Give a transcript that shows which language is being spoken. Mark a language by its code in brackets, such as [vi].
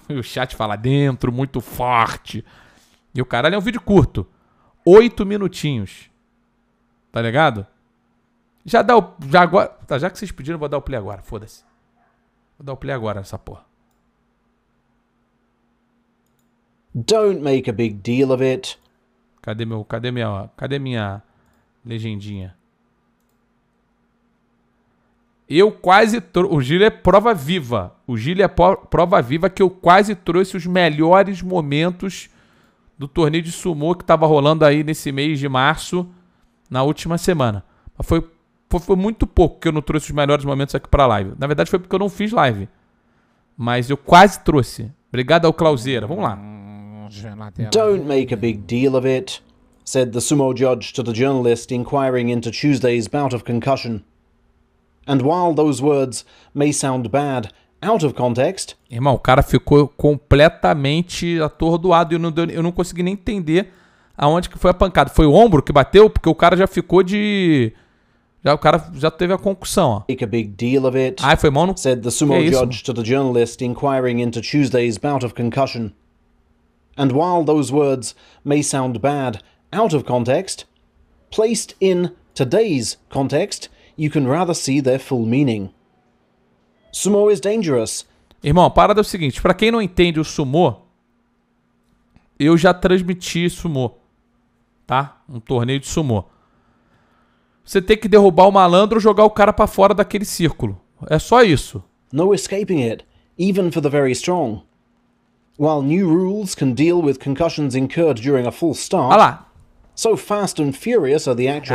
[pt] O chat fala dentro, muito forte. E o caralho é um vídeo curto, 8 minutinhos. Tá ligado? Já dá o. Já agora. Tá, já que vocês pediram, vou dar o play agora. Foda-se. Vou dar o play agora nessa porra. [en] Don't make a big deal of it. [pt] Cadê minha legendinha? Eu quase trouxe. O Gil é prova viva. O Gil é prova viva que eu quase trouxe os melhores momentos do torneio de sumô que tava rolando aí nesse mês de março, na última semana. Foi muito pouco que eu não trouxe os melhores momentos aqui pra live. Na verdade, foi porque eu não fiz live. Mas eu quase trouxe. Obrigado ao Clauseira. Vamos lá. [en] Don't make a big deal of it, said the sumo judge to the journalist inquiring into Tuesday's bout of concussion. And while those words may sound bad out of context, [pt] Irmão, o cara ficou completamente atordoado e eu não consegui nem entender aonde que foi a pancada. Foi o ombro que bateu? Porque o cara já ficou de. Já, o cara já teve a concussão, ó. [en] make a big deal of it, [pt] Ai, foi mal no. [en] said the [pt] Que [en] sumo [pt] isso, mano? [en] judge to the journalist inquiring into Tuesday's bout of concussion. And while those words may sound bad out of context, placed in today's context, you can rather see their full meaning. Sumo is dangerous. [pt] Irmão, a parada é o seguinte, para quem não entende o sumô, eu já transmiti sumô, tá? Um torneio de sumô. Você tem que derrubar o malandro ou jogar o cara para fora daquele círculo. É só isso. [en] No escaping it, even for the very strong. While new rules can deal with concussions incurred during a full start, [pt] Olha lá. [en] so fast and furious are the actual.